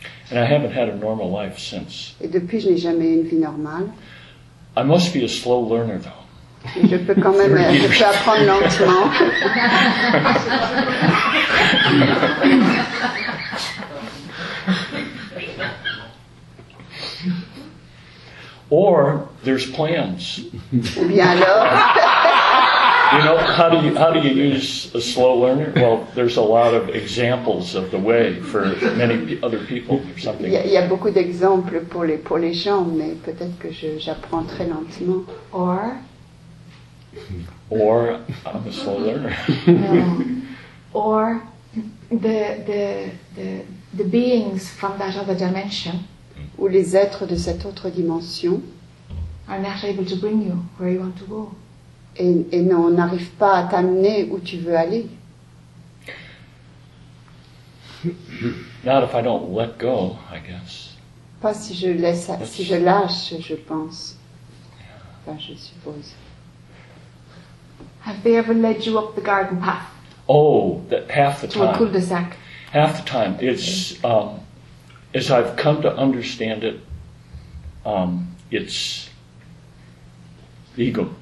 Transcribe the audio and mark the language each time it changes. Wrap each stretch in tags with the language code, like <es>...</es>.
<en>And I haven't had a normal life since.</en> <fr>Et depuis, je n'ai jamais eu une vie normale.</fr> <en>I must be a slow learner, though.</en> <fr>Je peux quand même, je peux apprendre lentement.</fr> <en>Or there's plans.</en> <fr>Ou bien alors.</fr> <en>You know, how do you use a slow learner? Well, there's a lot of examples of the way for many other people or something.</en> <fr>Il y a beaucoup d'exemples pour les gens, mais peut-être que j'apprends très lentement.</fr> <en>Or I'm a slow learner. Or the beings from that other dimension.</en> <fr>Ou les êtres de cette autre dimension</fr> <en>are not able to bring you where you want to go.</en> <fr>et on n'arrive pas à t'amener où tu veux aller.</fr> <en>Not if I don't let go, I guess.</en> <fr>Pas si je laisse, si je lâche, je pense. Enfin, je suppose.</fr> <en>Have they ever led you up the garden path? Oh, that half the time. To a cul-de-sac. Half the time. It's, as I've come to understand it, it's ego.</en>